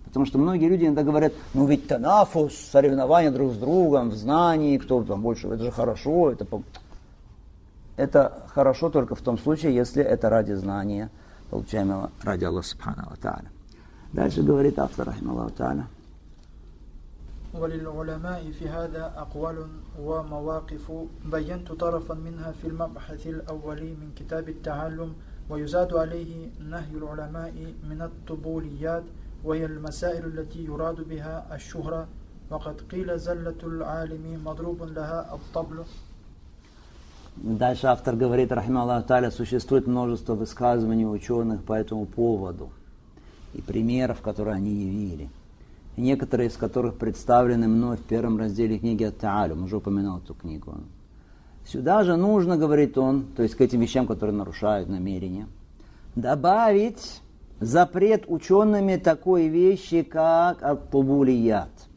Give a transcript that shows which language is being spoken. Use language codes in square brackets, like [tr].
[ru] Потому что многие люди иногда говорят, ну ведь танафус, соревнования друг с другом, в знании, кто там больше, это же хорошо. Это хорошо только в том случае, если это ради знания, получаемого ради Аллаха Субханаху Таля. Дальше говорит автор Рахималлаху Таля. [ar] وللعلماء في هذا أقوال ومواقف بينت طرفا منها في المبحث الأولي من كتاب التعلم ويزاد عليه نهي العلماء من الطبوليات وهي المسائل التي يراد بها الشهرة وقد قيل زلة العالم مضروب لها الطبل. [ru] Дальше автор говорит, [ar] رحمه الله تعالى, [ru] существует множество высказываний ученых по этому поводу и примеров, которые они явили. Некоторые из которых представлены мной в первом разделе книги «Ат-Та'алюм». Уже упоминал эту книгу. Сюда же нужно, говорит он, то есть к этим вещам, которые нарушают намерение, добавить запрет учеными такой вещи, как «Ат-Тубулият».